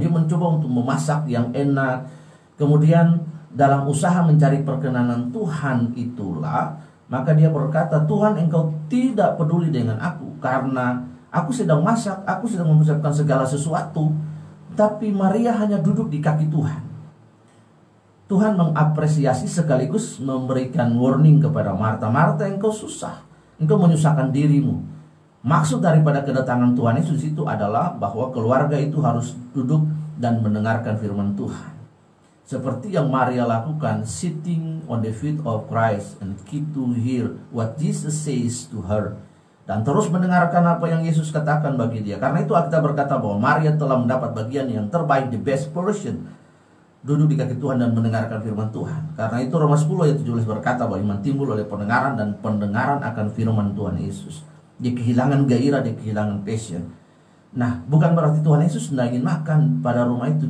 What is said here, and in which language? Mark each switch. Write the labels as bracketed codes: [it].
[id] Dia mencoba untuk memasak yang enak. Kemudian dalam usaha mencari perkenanan Tuhan itulah, maka dia berkata, Tuhan engkau tidak peduli dengan aku, karena aku sedang masak, aku sedang mempersiapkan segala sesuatu, tapi Maria hanya duduk di kaki Tuhan. Tuhan mengapresiasi sekaligus memberikan warning kepada Marta. Marta, engkau susah, engkau menyusahkan dirimu. Maksud daripada kedatangan Tuhan Yesus itu adalah bahwa keluarga itu harus duduk dan mendengarkan firman Tuhan. Seperti yang Maria lakukan, [en] sitting on the feet of Christ and keep to hear what Jesus says to her. [id] Dan terus mendengarkan apa yang Yesus katakan bagi dia. Karena itu kita berkata bahwa Maria telah mendapat bagian yang terbaik, [en] the best portion. [id] Duduk di kaki Tuhan dan mendengarkan firman Tuhan. Karena itu Roma 10 ayat 17 berkata bahwa iman timbul oleh pendengaran, dan pendengaran akan firman Tuhan Yesus. Dia kehilangan gairah, dia kehilangan passion. Nah, bukan berarti Tuhan Yesus tidak ingin makan pada rumah itu.